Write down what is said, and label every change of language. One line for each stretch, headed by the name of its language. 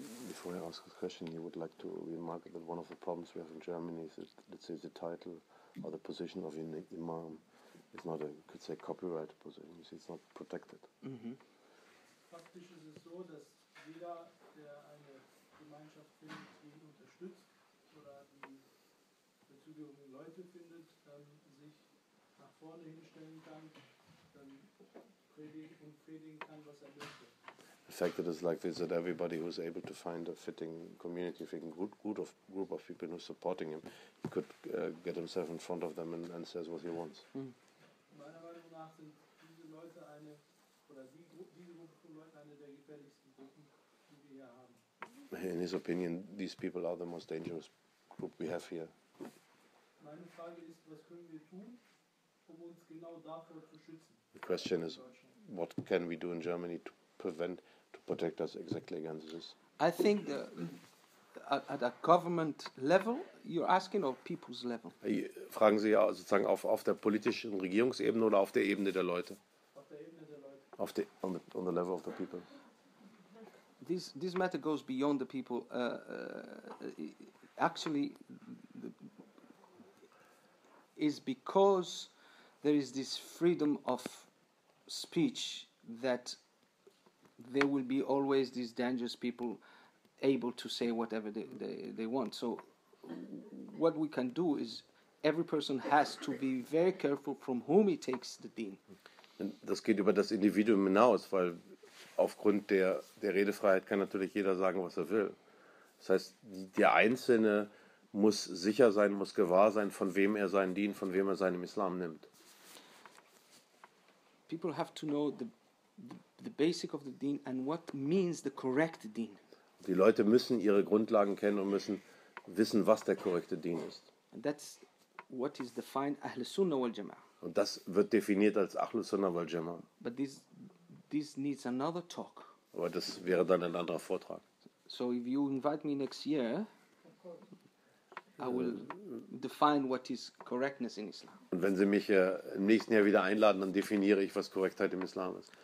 English: before I ask a question, you would like to remark that one of the problems we have in Germany is that, let's say, the title or the position of an imam is not a, you could say, copyright position. You see, it's not protected.
German: Faktisch ist es so, dass jeder, der eine Gemeinschaft unterstützt, oder die dazu gehörigen Leute findet, sich nach vorne hinstellen kann, dann predigen und predigen kann, was er möchte.
English: The fact that it's like this, that everybody who's able to find a fitting community, a fitting group of people who's supporting him, he could get himself in front of them and says what he wants. Mm.
German: Meiner Meinung nach sind diese Leute eine, oder diese Gruppe von Leuten eine der gefährlichsten Gruppen, die wir hier haben.
English: In his opinion, these people are the most dangerous group we have here.
German: Meine Frage ist, was können wir tun, um uns genau davor zu schützen?
English: The question is, what can we do in Germany to prevent, to protect us exactly against this? I think at a government level, you're asking, or people's level?
German: Fragen Sie ja sozusagen auf der politischen Regierungsebene oder auf der Ebene der Leute? Auf der Ebene der Leute.
English: On the level of the people. This matter goes beyond the people. Actually, is because there is this freedom of speech that there will be always these dangerous people able to say whatever they want. So what we can do is every person has to be very careful from whom he takes the din.
German: Das geht über das Individuum hinaus, weil aufgrund der Redefreiheit kann natürlich jeder sagen, was er will. Das heißt, der Einzelne muss sicher sein, muss gewahr sein, von wem er seinen din, von wem er seinen Islam nimmt.
English: People have to know the basic of the deen and what means the correct deen.
German: Die Leute müssen ihre Grundlagen kennen und müssen wissen, was der korrekte deen ist.
English: And that's what is defined Ahl Sunnah wal Jamaah.
German: Und das wird definiert als Ahl Sunnah wal Jamaah.
English: But this needs another talk.
German: Aber das wäre dann ein anderer Vortrag.
English: So if you invite me next year, I will define what is correctness in Islam.
German: Und wenn Sie mich im nächsten Jahr wieder einladen, dann definiere ich, was Korrektheit im Islam ist.